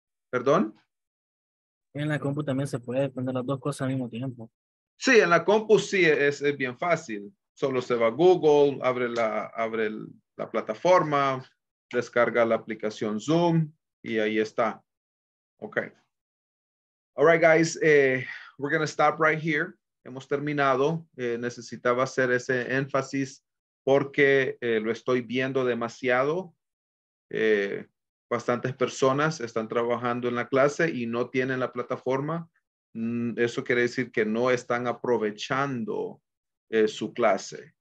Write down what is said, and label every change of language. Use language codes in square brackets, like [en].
[es] ¿Perdón? En la compu también se puede poner las dos cosas al mismo tiempo. Sí, en la compu sí es bien fácil. Solo se va a Google, abre la plataforma, descarga la aplicación Zoom y ahí está. Okay. [en] All right, guys, we're going to stop right here. [es] Hemos terminado. Necesitaba hacer ese énfasis porque lo estoy viendo demasiado. Bastantes personas están trabajando en la clase y no tienen la plataforma. Eso quiere decir que no están aprovechando su clase.